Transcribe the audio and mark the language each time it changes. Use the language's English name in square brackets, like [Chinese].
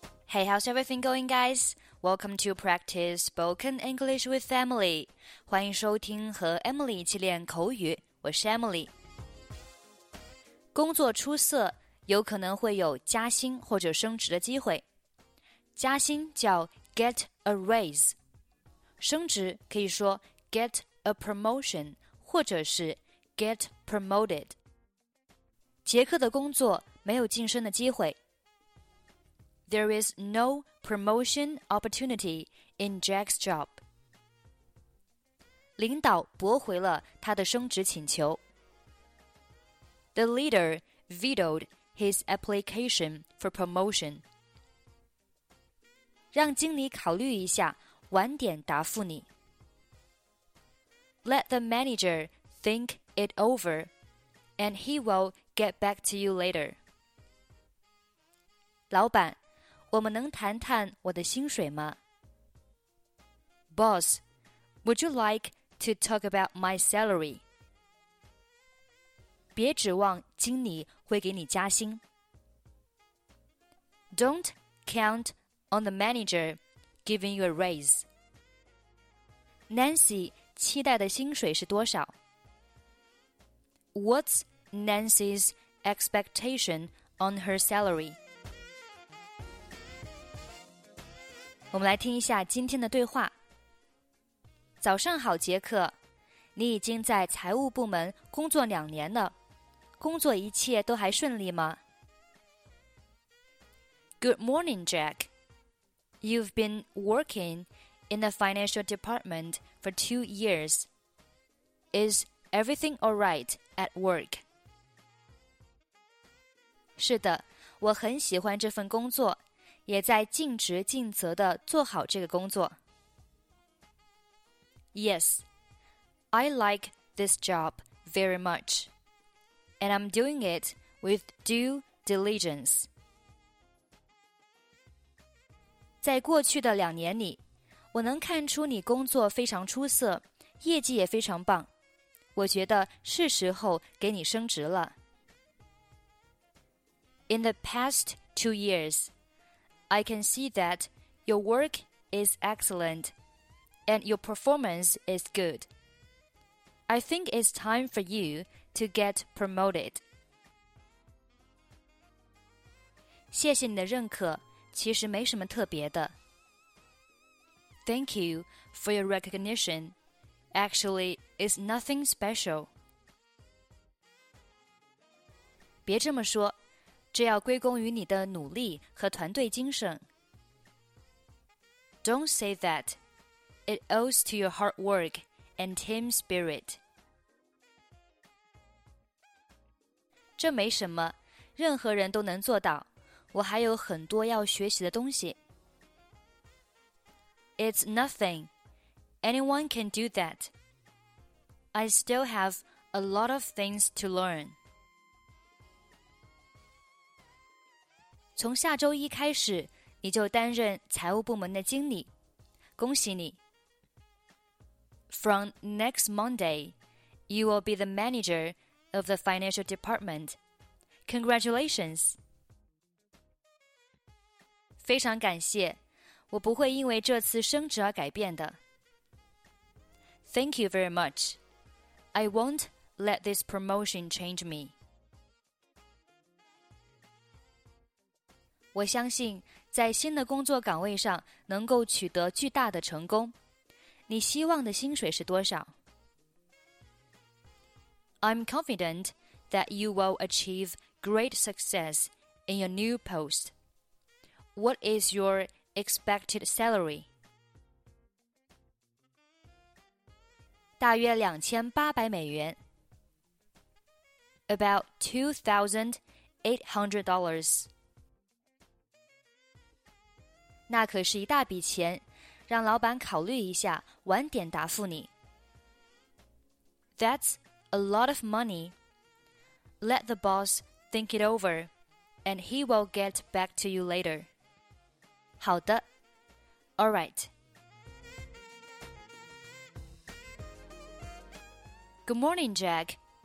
[English] Hey, how's everything going, guys? Welcome to Practice Spoken English with Emily. [Chinese] 欢迎收听和 Emily 一起练口语。我是 Emily。工作出色，有可能会有加薪或者升职的机会。加薪叫 [English] get a raise。 [Chinese] 升职可以说 [English] get a promotion [Chinese] 或者是 [English] get promoted。 [Chinese] 杰克的工作没有晋升的机会。 [English] There is no promotion opportunity in Jack's job. [Chinese] 领导驳回了他的升职请求。 [English] The leader vetoed his application for promotion. [Chinese] 让经理考虑一下，晚点答复你。 [English] Let the manager think it over, and he will get back to you later. [Chinese] 老板我们能谈谈我的薪水吗? [English] Boss, would you like to talk about my salary? [Chinese] 别指望经理会给你加薪。 [English] Don't count on the manager giving you a raise. [Chinese] Nancy 期待的薪水是多少? [English] What's Nancy's expectation on her salary? [Chinese] 我们来听一下今天的对话。早上好，杰克，你已经在财务部门工作两年了，工作一切都还顺利吗 [English] ？Good morning, Jack. You've been working in the financial department for 2 years. Is everything all right at work? [Chinese] 是的，我很喜欢这份工作。也在尽职尽责地做好这个工作。 [English] Yes, I like this job very much, and I'm doing it with due diligence. [Chinese] 在过去的两年里，我能看出你工作非常出色，业绩也非常棒。我觉得是时候给你升职了。 [English] In the past 2 years,I can see that your work is excellent and your performance is good. I think it's time for you to get promoted. [Chinese] 谢谢你的认可，其实没什么特别的。 [English] Thank you for your recognition. Actually, it's nothing special. [Chinese] 别这么说。这要归功于你的努力和团队精神。 [English] Don't say that. It owes to your hard work and team spirit. [Chinese] 这没什么，任何人都能做到。我还有很多要学习的东西。 [English] It's nothing. Anyone can do that. I still have a lot of things to learn. [Chinese] 从下周一开始，你就担任财务部门的经理，恭喜你。 [English] From next Monday, you will be the manager of the financial department. Congratulations! [Chinese] 非常感谢，我不会因为这次升职而改变的。 [English] Thank you very much. I won't let this promotion change me. [Chinese] 我相信在新的工作岗位上能够取得巨大的成功。你希望的薪水是多少? [English] I'm confident that you will achieve great success in your new post. What is your expected salary? [Chinese] 大约$2,800. [English] About $2,800. [Chinese] 那可是一大笔钱，让老板考虑一下，晚点答复你。 [English] That's a lot of money. Let the boss think it over, and he will get back to you later. [Chinese] 好的。 [English] All right. Good morning, Jack.